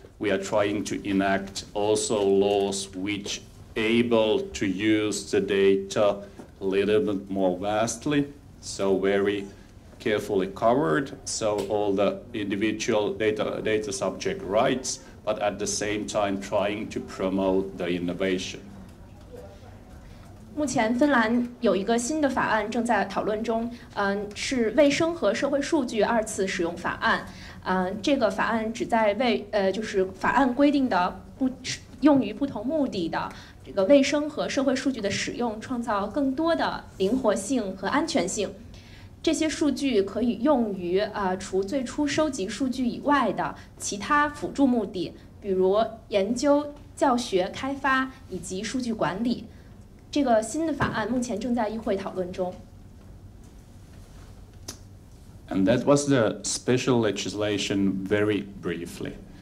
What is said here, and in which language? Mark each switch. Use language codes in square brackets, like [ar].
[en] We are trying to enact also laws which able to use the data a little bit more vastly, so very carefully covered, so all the individual data subject rights, but at the same time trying to promote the innovation. [zh] 目前芬兰有一个新的法案正在讨论中，是卫生和社会数据二次使用法案，这个法案旨在为就是法案规定的不用于不同目的的这个卫生和社会数据的使用创造更多的灵活性和安全性。这些数据可以用于除最初收集数据以外的其他辅助目的，比如研究、教学、开发以及数据管理。这个新的法案目前正在议会讨论中。 [en] And that was the special legislation very briefly.